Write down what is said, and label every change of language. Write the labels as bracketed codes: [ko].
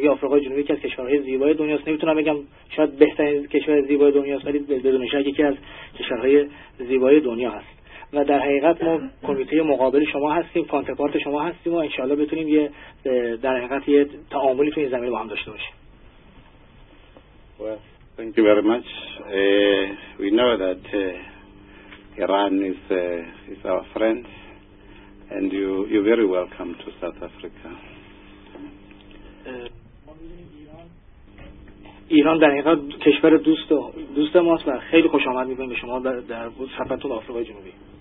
[fa] یه آفریقای جنوبی که از کشورهای زیبای دنیاست، نمیتونم بگم شاید بهترین کشور زیبای دنیاست، ولی بدون شک یکی از کشورهای زیبای دنیا هست. و در حقیقت ما کمیته مقابل شما هستیم، کانترپارت شما هستیم و انشاءالله بتونیم یه در حقیقت یه تعاملی تو این زمین با هم داشته باشیم. [en] Well, thank you very much. We know that Iran is our friend and you're very welcome to South Africa. [fa] ایران در حقیقت کشور دوست ماست و خیلی خوش آمد می‌بینیم به شما در سفرتون به آفریقای جنوبی.